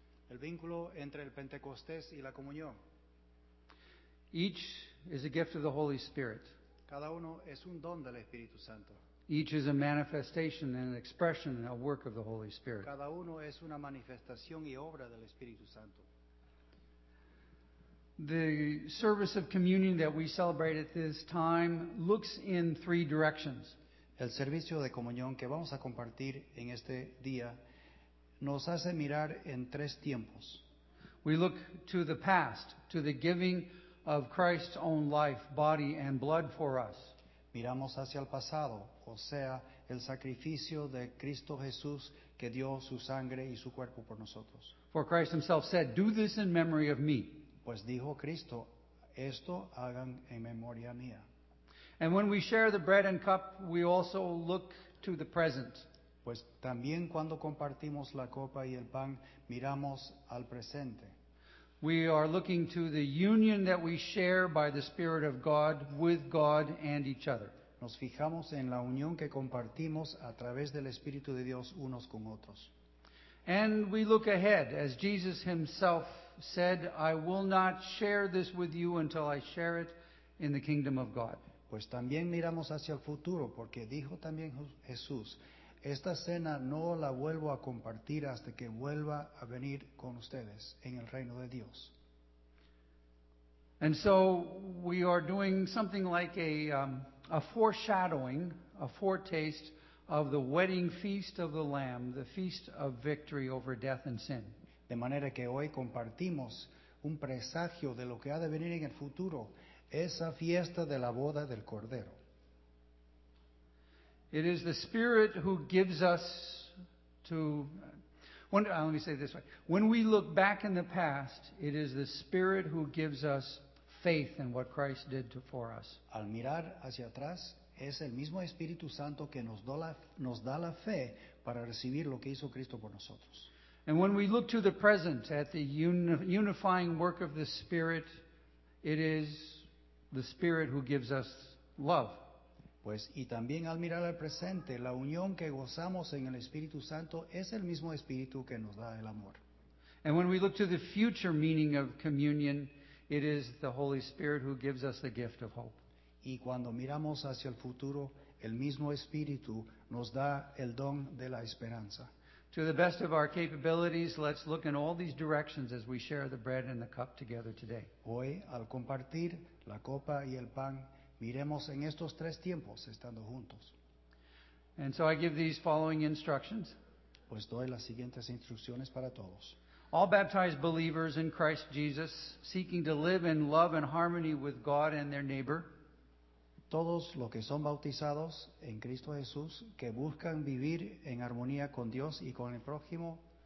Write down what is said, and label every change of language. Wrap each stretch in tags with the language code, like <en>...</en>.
<es>El vínculo entre el Pentecostés y la comunión.</es> <en>Each is a gift of the Holy Spirit.</en> <es>Cada uno es un don del Espíritu Santo.</es> <en>Each is a manifestation and an expression and a work of the Holy Spirit.</en> <es>Cada uno es una manifestación y obra del Espíritu Santo.</es> <en>The service of communion that we celebrate at this time looks in three directions.</en> <es>El servicio de comunión que vamos a compartir en este día nos hace mirar en tres tiempos.</es> <en>We look to the past, to the giving of Christ's own life, body, and blood for us.</en> <es>Miramos hacia el pasado, o sea, el sacrificio de Cristo Jesús que dio su sangre y su cuerpo por nosotros.</es> <en>For Christ himself said, "Do this in memory of me."</en> <es>Pues dijo Cristo, esto hagan en memoria mía.</es> <en>And when we share the bread and cup, we also look to the present.</en> <es>Pues también cuando compartimos la copa y el pan, miramos al presente.</es> <en>We are looking to the union that we share by the Spirit of God with God and each other.</en> <es>Nos fijamos en la unión que compartimos a través del Espíritu de Dios unos con otros.</es> <en>And we look ahead as Jesus himself said, I will not share this with you until I share it in the kingdom of God.</en> <es>Pues también miramos hacia el futuro, porque dijo también Jesús, esta cena no la vuelvo a compartir hasta que vuelva a venir con ustedes en el reino de Dios.</es> <en>And so we are doing something like a foreshadowing, a foretaste of the wedding feast of the Lamb, the feast of victory over death and sin.</en> <es>De manera que hoy compartimos un presagio de lo que ha de venir en el futuro, esa fiesta de la boda del Cordero.</es> <en>It is the Spirit who gives us to, Let me say it this way. When we look back in the past, it is the Spirit who gives us faith in what Christ did for us.</en> <es>Al mirar hacia atrás, es el mismo Espíritu Santo que nos da la fe para recibir lo que hizo Cristo por nosotros.</es> <en>And when we look to the present, at the unifying work of the Spirit, it is the Spirit who gives us love.</en> <es>Pues, y también al mirar al presente, la unión que gozamos en el Espíritu Santo es el mismo Espíritu que nos da el amor.</es> <en>And when we look to the future meaning of communion, it is the Holy Spirit who gives us the gift of hope.</en> <es>Y cuando miramos hacia el futuro, el mismo Espíritu nos da el don de la esperanza.</es> <en>To the best of our capabilities, let's look in all these directions as we share the bread and the cup together today.</en> <es>Hoy, al compartir la copa y el pan, miremos en estos tres tiempos estando juntos.</es> <en>And so I give these following instructions.</en> <es>Pues doy las siguientes instrucciones para todos.</es> <en>All baptized believers in Christ Jesus, seeking to live in love and harmony with God and their neighbor.</en> <es>Todos los que son bautizados en Cristo Jesús, que buscan vivir en armonía con Dios y con el prójimo.</es>